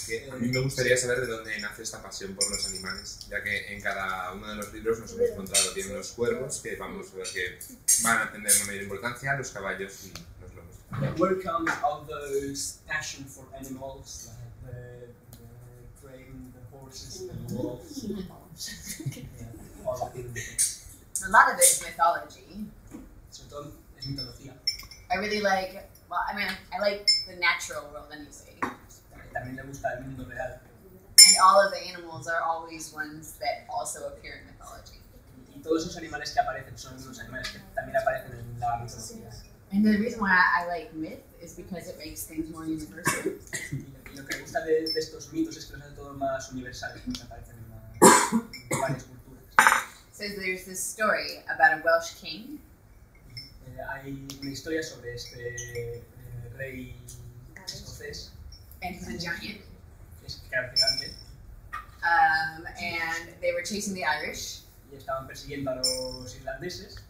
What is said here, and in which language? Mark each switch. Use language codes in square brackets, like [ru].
[es] A mí me gustaría saber de dónde nace esta pasión por los animales, ya que en cada uno de los libros nos hemos encontrado bien los cuervos, que vamos a ver que van a tener una mayor importancia, los caballos y los lobos. [en] Where come all those passion for animals, like the crane, the horses, the wolves? A lot of it is mythology. [es] Sobre todo es mitología. [en] I really like, well, I mean, I like the natural world anyway. [es] También le gusta el mundo real. [en] And all of the animals are always ones that also appear in mythology. [es] Y todos esos animales que aparecen son los animales que también aparecen en la mitología. [en] And the reason why I like myth is because it makes things more universal. [es] Lo que me gusta de estos mitos es que los hacen todo más universales, que aparecen en varias culturas. [en] So there's this story about a Welsh king. [es] Hay una historia sobre este rey escocés. [en] And he's a giant. [es] Es gigante. [en] And they were chasing the Irish. [es] Y estaban persiguiendo a los irlandeses.